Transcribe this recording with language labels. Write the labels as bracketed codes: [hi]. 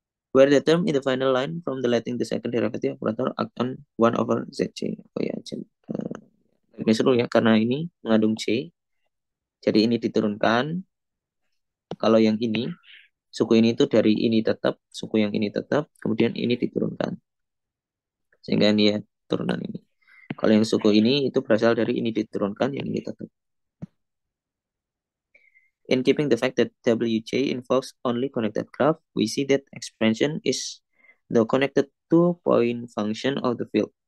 [en] Where the term in the final line from the letting the second derivative operator act on 1 over ZJ. [id] Oh ya, ini seru ya, karena ini mengandung J. Jadi ini diturunkan. Kalau yang ini, suku ini itu dari ini tetap, suku yang ini tetap, kemudian ini diturunkan. Sehingga ini ya, turunan ini. Kalau yang suku ini itu berasal dari ini diturunkan, yang ini tetap. [en] In keeping the fact that WJ involves only connected graph, we see that expansion is the connected two-point function of the field.